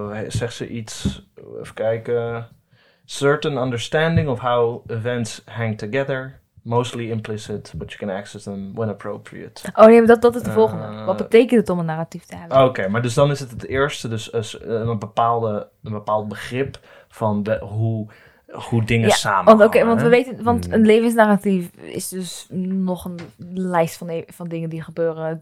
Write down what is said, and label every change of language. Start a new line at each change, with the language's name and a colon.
Dutch: Zegt ze iets, even kijken.
English: Certain understanding of how events hang together, mostly implicit, but you can access them when appropriate.
Dutch: Oh nee, dat is de volgende. Wat betekent het om een narratief te hebben? Oké, maar dus dan is het eerste, dus een bepaald begrip van hoe dingen samenhangen. Want een levensnarratief is dus nog een lijst van dingen die gebeuren.